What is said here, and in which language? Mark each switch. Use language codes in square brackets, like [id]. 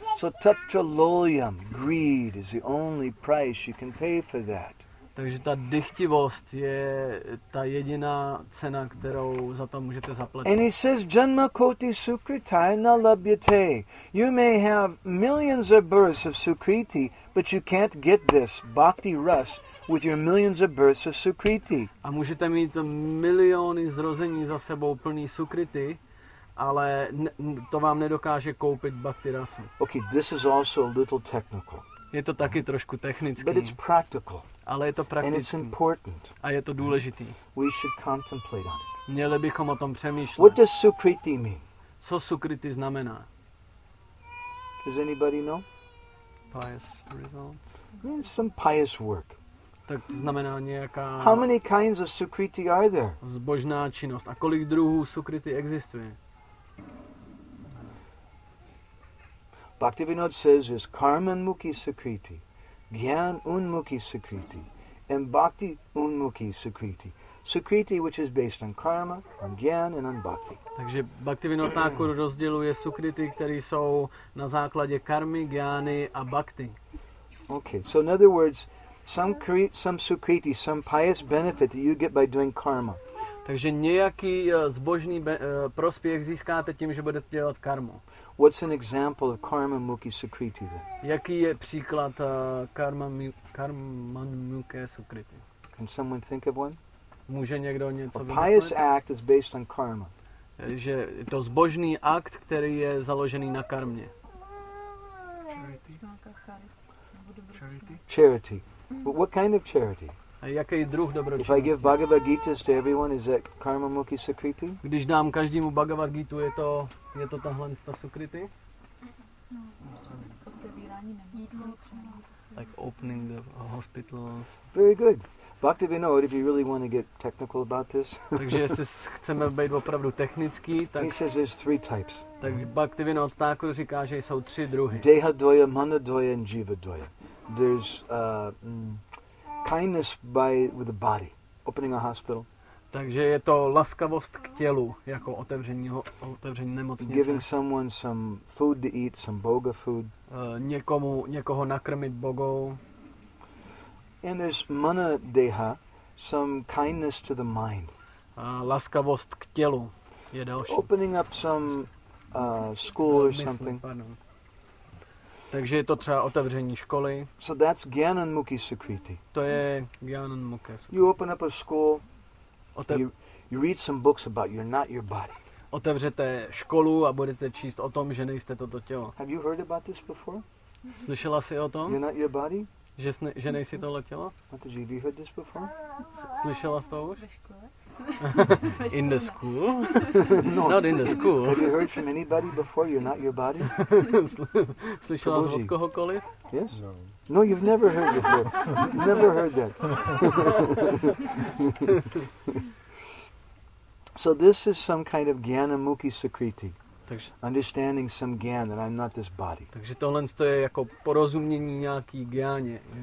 [en] So tatra loyam, greed, is the only price you can pay for that. [cs] Takže ta dychtivost je ta jediná cena, kterou za to můžete zaplatit. [en] And he says, [sa] janma koti sukritai na labhyate. [en] You may have millions of births of sukriti, but you can't get this bhakti ras with your millions of births of sukriti. [cs] A můžete mít miliony zrození za sebou plný sukriti, ale to vám nedokáže koupit bhakti rasu. [en] Okay, this is also a little technical. [cs] Je to taky trošku technický. [en] But it's practical. [cs] Ale je to praktický. [en] And it's important. [cs] A je to důležitý. [en] We should contemplate on it. [cs] Měli bychom o tom přemýšlet. [en] What does sukriti mean? [cs] Co sukriti znamená? [en] Does anybody know? Pious results. Means some pious work. [cs] Tak to znamená nějaká. [en] How many kinds of sukriti are there? [cs] Zbožná činnost. A kolik druhů sukriti existuje? [en] Bhaktivinod says is karman mukhi sukriti. Gyan unmukhi sukriti and bhakti unmukhi sukriti. Sukriti, which is based on karma, on gyan and on bhakti. [cs] Takže Bhaktivinoda Thakur rozděluje sukriti, které jsou na základě karmy, gyany a bhakti. [en] Okay, so in other words, some sukriti, some pious benefit that you get by doing karma. [cs] Takže nějaký zbožný prospěch získáte tím, že budete dělat karmu. [en] What's an example of karma mukhi sukriti then? [cs] Jaký je příklad karma mukhi sukriti? [en] Can someone think of one? [cs] Může někdo něco vymyslet? [en] A pious act is based on karma. [cs] Že je to zbožný akt, který je založený na karmě. [en] Charity. Charity. But what kind of charity? [cs] Jaký druh dobročinnosti? [en] If I give Bhagavad Gita to everyone, is that karma mukhi sukriti? [cs] Když dám každému Bhagavad Gitu, je to tahle ta sukriti? [en] Like opening the hospitals. Very good. Bhaktivinoda, if you really want to get technical about this. [cs] Takže jestli chceme být opravdu technický, tak. [en] He says there's three types. [cs] Tak Bhaktivinoda Thakur říká, že jsou tři druhy. [sa] Deha dvoje, mana dvoje, and jiva dvoje. [en] There's kindness with the body, opening a hospital. [cs] Takže je to laskavost k tělu, jako otevření nemocnice. [en] Giving someone some food to eat, some boga food. [cs] Někoho nakrmit bogou. [en] And there's mana deha, some kindness to the mind. [cs] A laskavost k tělu je další. [en] Opening up some school or something. [cs] Takže je to třeba otevření školy. [en] So that's gyanan mukhi sukriti. [cs] To je gyanan mukhi sukriti. [en] You open up a school. You read some books about you're not your body. [cs] Otevřete školu a budete číst o tom, že nejste toto tělo. [en] Have you heard about this before? [cs] Slyšela jsi o tom? [en] You're not your body? [cs] Že nejsi tohle tělo? [en] Have you heard this before? [cs] Slyšela jsi to už? Ve škole. [en] In the school? No, not in the school. Have you heard from anybody before you're not your body? [cs] Slyšela jsi od kohokoliv? [en] Yes. No, you've never heard before. Never heard that. So this is some kind of gyana mukhi sukriti. Understanding some gyan that I'm not this body. [cs] Takže tohle je jako porozumění nějaký gyáně.